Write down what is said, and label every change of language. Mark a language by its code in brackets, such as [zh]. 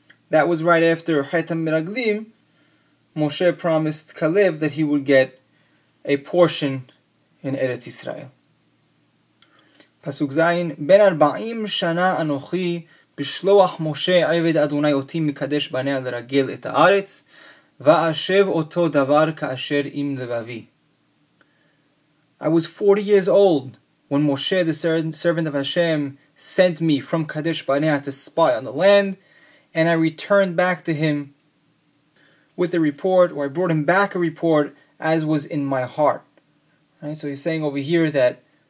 [en] That was right after Chetam Miraglim. Moshe promised Kalev that he would get a portion in Eretz Yisrael. [he] Pasuk Zayin, Ben Arba'im Shana Anochi בשלוח משה עבד אדוני אותי מקדש בניה לרגל את הארץ ואשב אותו דבר כאשר עם לבבי. [en] I was 40 years old when Moshe, the servant of Hashem, sent me from Kadesh Barnea to spy on the land, and I returned back to him with a report, or I brought him back a report as was in my heart. Right, so he's saying over here that